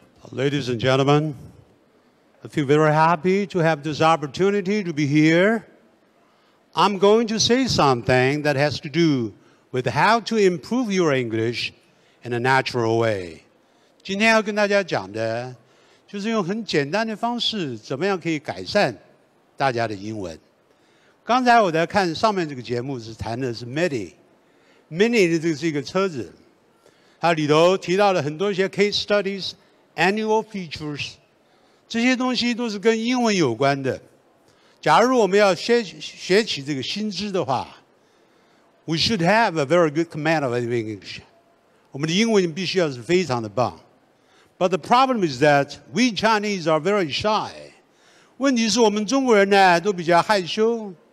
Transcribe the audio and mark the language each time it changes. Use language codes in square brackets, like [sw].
[en] Ladies and gentlemen, I feel very happy to have this opportunity to be here. I'm going to say something that has to do with how to improve your English in a natural way. [zh] 今天要跟大家讲的就是用很简单的方式怎么样可以改善大家的英文。刚才我在看上面这个节目是谈的是 MIDI。MINI 的这是一个车子，它里头提到了很多一些 case studies, annual features, 这些东西都是跟英文有关的。假如我们要 学起这个新知的话， [en] we should have a very good command of English. [zh] 我们的英文必须要是非常的棒。 [en] But the problem is that we Chinese are very shy. [zh] 问题是我们中国人呢都比较害羞。